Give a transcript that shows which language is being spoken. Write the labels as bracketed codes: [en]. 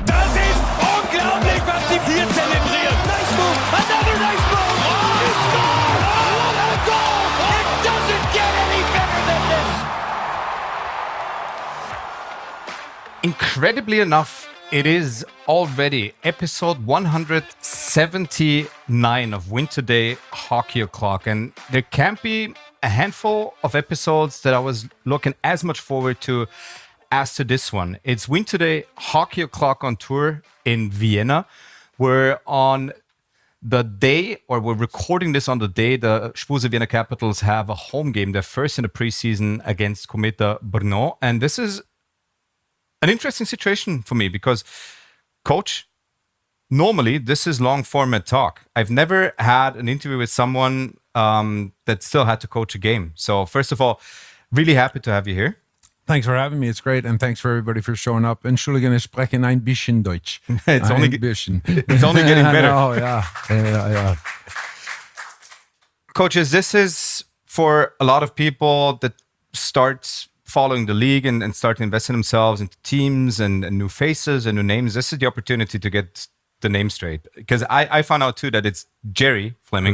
[de] Das ist unglaublich, was die hier zelebrieren. [en] Nice move, another nice move. Oh, it's gone. Oh, what a goal. It doesn't get any better than this. Incredibly enough, it is already episode 179 of Win Today Hockey O'Clock, and there can't be a handful of episodes that I was looking as much forward to as to this one. It's Win Today Hockey O'Clock on Tour in Vienna. We're on the day, or we're recording this on the day, the Spuse Vienna Capitals have a home game, their first in the preseason against Cometa Brno. And this is an interesting situation for me because, coach, normally this is long format talk. I've never had an interview with someone that still had to coach a game. So first of all, really happy to have you here. Thanks for having me. It's great. And thanks for everybody for showing up. [de] Entschuldigung, ich spreche ein bisschen Deutsch. [en] It's only getting better. Oh, yeah. Coaches, this is for a lot of people that start following the league and start investing themselves into teams and new faces and new names. This is the opportunity to get the name straight. Because I found out too that it's Jerry Fleming.